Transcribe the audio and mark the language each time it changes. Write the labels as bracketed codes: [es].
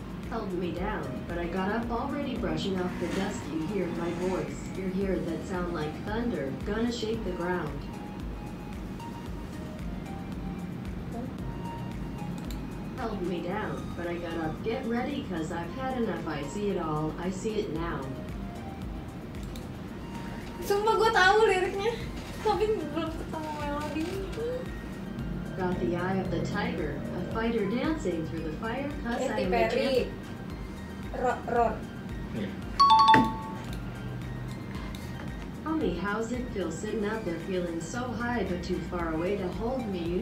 [en] held me down, but I got up already, brushing off the dust. You hear my voice, you hear that sound like thunder, gonna shake the ground. Held me down, but I got up. Get ready, cause I've had enough. I see it all, I see it now. [id] Sumpah gue tahu liriknya, tapi belum ketemu melodinya. [en] Got the eye of the tiger, a fighter dancing through the fire. Cause Katy I'm Perry. A champion. Roar. Tell me, how's it feel sitting out there feeling so high but too far away to hold me?